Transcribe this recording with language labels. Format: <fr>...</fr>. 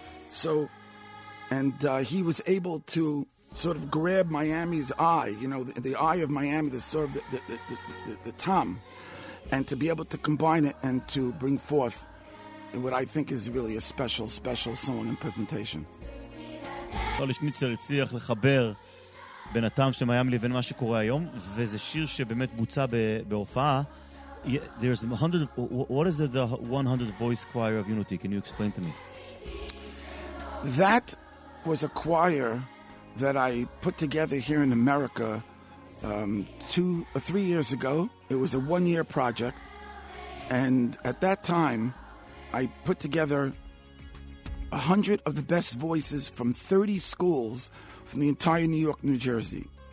<en>So, he was able to sort of grab Miami's eye, you know, the eye of Miami that served the Tom, and to be able to combine it and to bring forth what I think is really a special, special song and presentation.</en> <he>Tali Schnitzler הצליח לחבר בין הטעם של מיאמי לבין מה שקורה היום, וזה שיר שבאמת בוצע בהופעה.</he> <en>There's 100, what is the 100 voice choir of Unity? Can you explain to me? That was a choir that I put together here in America 2 or 3 years ago. It was a 1-year project, and at that time I put together 100 of the best voices from 30 schools from the entire New York, New Jersey.</en>